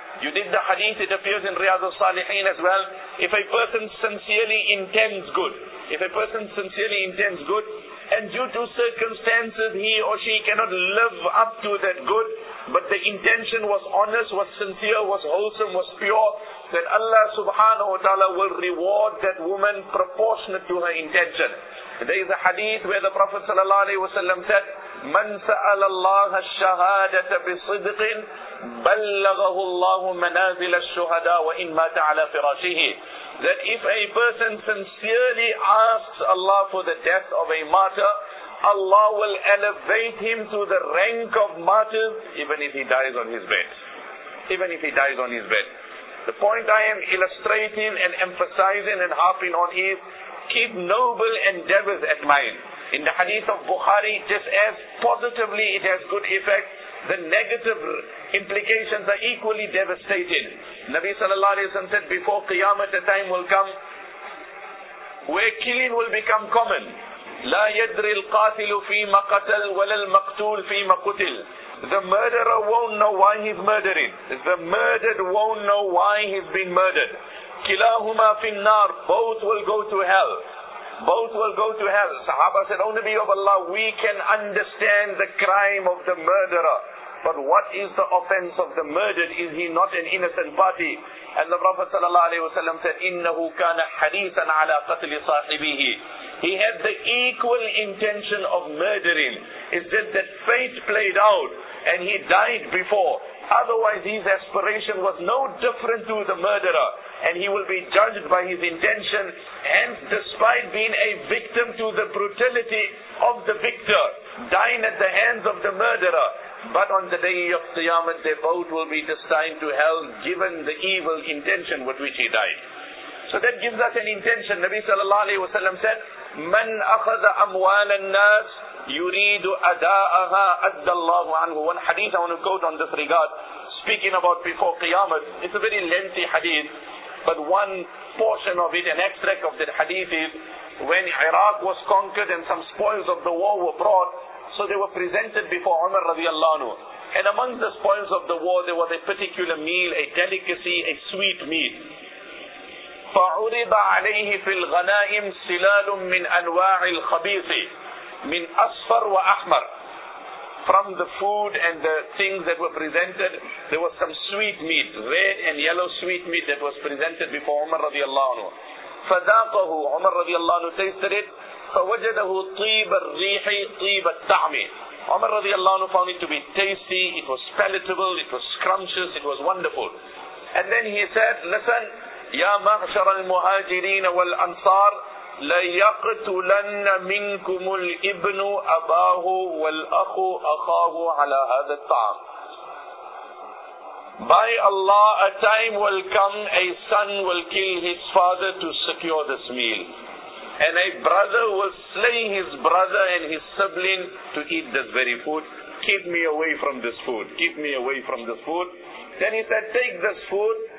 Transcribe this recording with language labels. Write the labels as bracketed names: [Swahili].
[English] You did the hadith, it appears in Riyadh al-Salihin as well. If a person sincerely intends good, if a person sincerely intends good, and due to circumstances he or she cannot live up to that good, but the intention was honest, was sincere, was wholesome, was pure, that Allah subhanahu wa ta'ala will reward that woman proportionate to her intention. There is a hadith where the Prophet sallallahu alayhi wa sallam said, [Arabic] مَنْ سَأَلَ اللَّهَ الشَّهَادَةَ بِصِدْقٍ بَلَّغَهُ اللَّهُ مَنَازِلَ الشُّهَدَاءِ وَإِنْ مَاتَ عَلَى فِرَاشِهِ. [English] That if a person sincerely asks Allah for the death of a martyr, Allah will elevate him to the rank of martyrs, even if he dies on his bed. Even if he dies on his bed. The point I am illustrating and emphasizing and harping on is, keep noble endeavors at mind. In the hadith of Bukhari, just as positively it has good effect, the negative implications are equally devastating. Nabi sallallahu alayhi wa sallam said, before Qiyamah, a time will come where killing will become common. [Arabic] لا يدري القاتل فيما قتل ولا المقتول فيما قتل. [English] The murderer won't know why he's murdering. The murdered won't know why he's been murdered. [Arabic] كلاهما في النار. [English] Both will go to hell. Both will go to hell. Sahaba said, O Nabi of Allah, we can understand the crime of the murderer. But what is the offense of the murdered? Is he not an innocent party? And the Prophet sallallahu alayhi wa sallam said, [Arabic] إِنَّهُ كَانَ حَدِيثًا عَلَىٰ قَتْلِ صَاحِبِهِ. [English] He had the equal intention of murdering. It's just that fate played out and he died before. Otherwise his aspiration was no different to the murderer. And he will be judged by his intention. Hence, despite being a victim to the brutality of the victor, dying at the hands of the murderer, but on the day of Qiyamah, their boat will be destined to hell, given the evil intention with which he died. So that gives us an intention. Nabi sallallahu alayhi wa sallam said, [Arabic] مَنْ أَخَذَ أَمْوَالَ النَّاسِ يُرِيدُ أَدَاءَهَا أَدَّ اللَّهُ عَنْهُ. [English] One hadith I want to quote on this regard, speaking about before Qiyamah. It's a very lengthy hadith, but one portion of it, an extract of that hadith is, when Iraq was conquered and some spoils of the war were brought, so they were presented before Umar radiallahu anhu. And among the spoils of the war, there was a particular meal, a delicacy, a sweet meal. [Arabic] فَعُرِضَ عَلَيْهِ فِي الْغَنَائِمْ سِلَالٌ مِّنْ أَنْوَاعِ الْخَبِيثِ مِّنْ أَصْفَرْ وَأَحْمَرْ. [English] From the food and the things that were presented, there was some sweet meat, red and yellow sweet meat that was presented before Umar radiallahu anhu. [Arabic] فَذَاقَهُ [English] Umar radiallahu anhu tasted it. [Arabic] فَوَجَدَهُ طِيبَ الرِّيحِ طِيبَ الطَّعْمِ. [English] Umar radiallahu anhu found it to be tasty, it was palatable, it was scrumptious, it was wonderful. And then he said, listen, [Arabic] يَا مَعْشَرَ الْمُهَاجِرِينَ وَالْأَنصَارِ لَيَقْتُلَنَّ مِنْكُمُ الْإِبْنُ أَبَاهُ وَالْأَخُ أَخَاهُ عَلَىٰ هَذَا الطَّعْمِ. [English] By Allah, a time will come, a son will kill his father to secure this meal. And a brother will slay his brother and his sibling to eat this very food. Keep me away from this food. Keep me away from this food. Then he said, take this food.